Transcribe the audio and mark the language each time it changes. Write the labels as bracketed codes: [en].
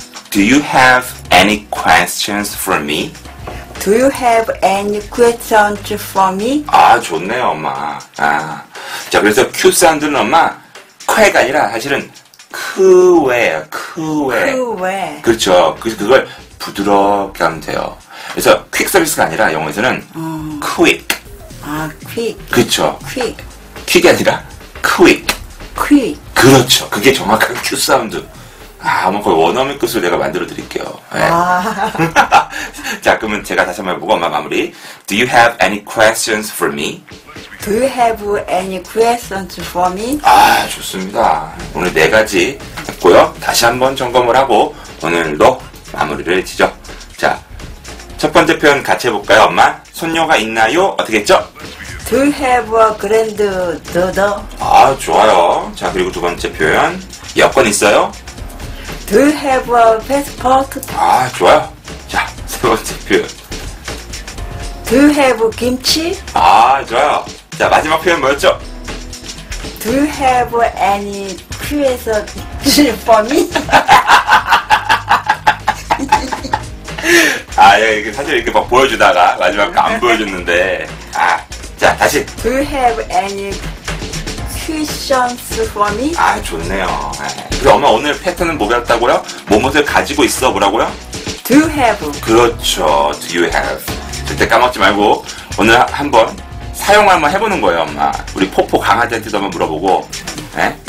[en] Do you have any questions for me? Do you have any questions for me? [ko] 아 좋네요, 엄마. 아. 자, 그래서 Q 사운드는 엄마 쾌가 아니라 사실은 크웨예요. 크웨. 크웨. 그렇죠. 그래서 그걸 부드럽게 하면 돼요. 그래서 퀵 서비스가 아니라 영어에서는 퀵. 아, 퀵. 그렇죠. 퀵. 퀵이 아니라 퀵. 퀵. 그렇죠. 그게 정확한 Q 사운드. 아, 한번 거의 원어민 끝으로 내가 만들어 드릴게요. 네. 아. 자, 그러면 제가 다시 한번 해보고 엄마 마무리. [en] Do you have any questions for me? Do you have any questions for me? [ko] 아, 좋습니다. 오늘 네 가지 했고요. 다시 한번 점검을 하고 오늘도 마무리를 치죠. 자, 첫 번째 표현 같이 해볼까요, 엄마? 손녀가 있나요? 어떻게 했죠? [en] Do you have a granddaughter? [ko] 아, 좋아요. 자, 그리고 두 번째 표현. 여권 있어요? [en] Do you have a passport? [ko] 아, 좋아요. 자, 세 번째 표현. [en] Do you have kimchi? [ko] 아, 좋아요. 자, 마지막 표현 뭐였죠? [en] Do you have any quiz for me? [ko] 아, 야, 이게 사실 이렇게 막 보여주다가 마지막 안 보여줬는데. 아, 자, 다시. [en] Do you have any questions for me? [ko] 아, 좋네요. 그래서 엄마 오늘 패턴은 뭐였다고요? 뭐뭇을 가지고 있어? 뭐라고요? [en] Do you have. [ko] 그렇죠. [en] Do you have. [ko] 절대 까먹지 말고 오늘 한번 사용을 한번 해보는 거예요, 엄마. 우리 포포 강아지한테도 한번 물어보고, 에?